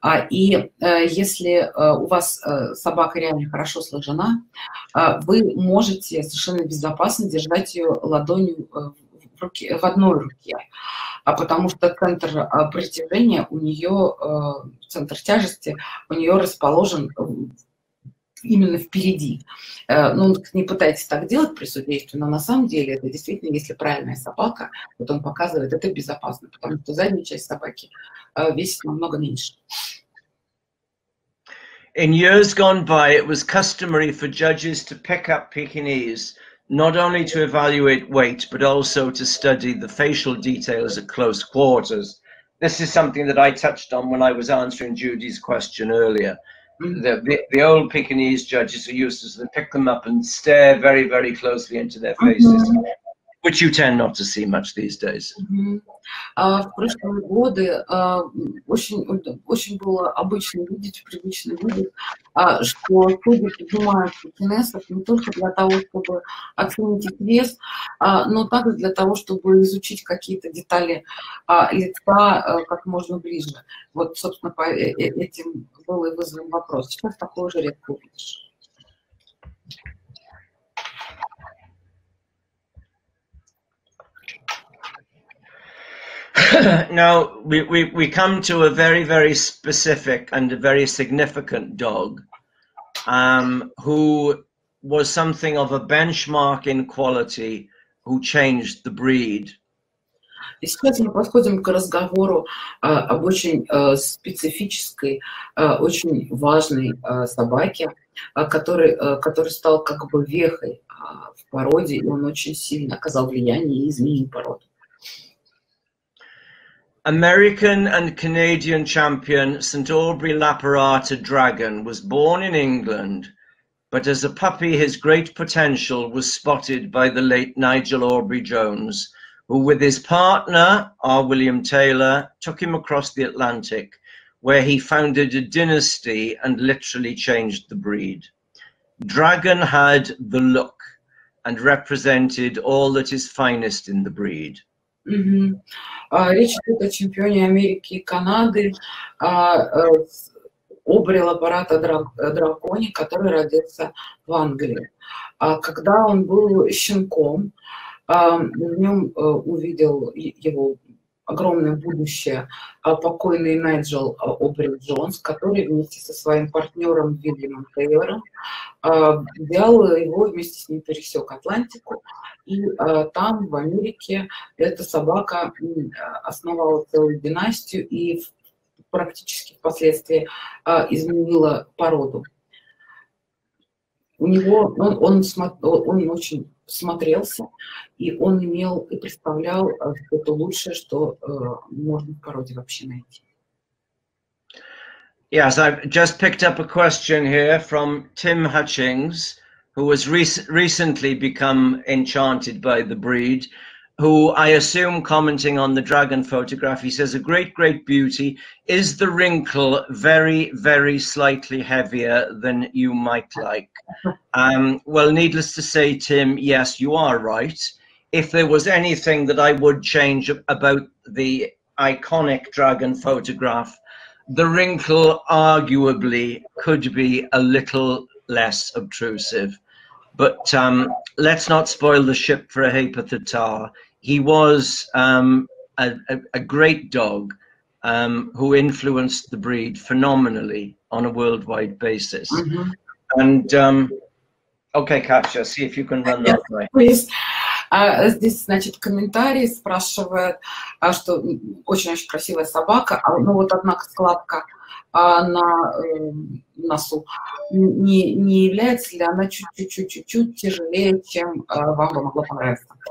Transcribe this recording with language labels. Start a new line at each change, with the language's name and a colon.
Russian: И если у вас собака реально хорошо сложена, вы можете совершенно безопасно держать ее ладонью в одной руке, потому что центр притяжения у нее, центр тяжести у нее расположен именно впереди. Ну, не пытайтесь так делать при судействе, но на самом деле это действительно, если правильная собака, вот он показывает, это безопасно, потому что задняя часть собаки весит намного меньше.
English: In years gone by, it was customary for judges to pick up Pekinese not only to evaluate weight, but also to study the facial details at close quarters. This is something that I touched on when I was answering Judy's question earlier. The old Pekinese judges are used to pick them up and stare very, very closely into their faces, which you tend not to see much these days.
Russian: В прошлые годы очень было обычно видеть, привычно видеть, что судьи поднимают пекинесов не только для того, чтобы оценить их вес, но также для того, чтобы изучить какие-то детали лица как можно ближе. Вот, собственно, по этим был и вызван вопрос. Сейчас такое уже редко видишь.
English: Now we come to a very, very specific and a very significant dog who was something of a benchmark in quality who changed the breed.
Russian: И сейчас мы подходим к разговору об очень специфической, очень важной собаке, который стал как бы вехой в породе, и он очень сильно оказал влияние и изменил породу.
English: American and Canadian champion St. Aubrey Laparata Dragon was born in England, but as a puppy, his great potential was spotted by the late Nigel Aubrey Jones, who with his partner, R. William Taylor, took him across the Atlantic, where he founded a dynasty and literally changed the breed. Dragon had the look and represented all that is finest in the breed.
Russian: Речь идет о чемпионе Америки и Канады Обри Лапарата Драконе, который родился в Англии. Когда он был щенком, в нем увидел его огромное будущее покойный Найджел Обри Джонс, который вместе со своим партнером Вильямом Тейлором взял его, вместе с ним пересек Атлантику. И там, в Америке, эта собака основала целую династию и практически впоследствии изменила породу. У него он очень смотрелся, и он имел и представлял что-то лучшее, что можно в породе вообще найти.
English: Yes, I've just picked up a question here from Tim Hutchings, who has recently become enchanted by the breed, who I assume commenting on the dragon photograph, he says, a great, great beauty. Is the wrinkle very, very slightly heavier than you might like? Well, needless to say, Tim, yes, you are right. If there was anything that I would change about the iconic dragon photograph, the wrinkle arguably could be a little less obtrusive. But let's not spoil the ship for a heap of the tar. He was a great dog who influenced the breed phenomenally on a worldwide basis. Mm-hmm. And okay, Katya, see if you can run that way.
Russian: Здесь, значит, комментарий спрашивает, что очень-очень красивая собака, но вот однако складка на носу, не является ли она чуть-чуть тяжелее, чем вам бы могло понравиться?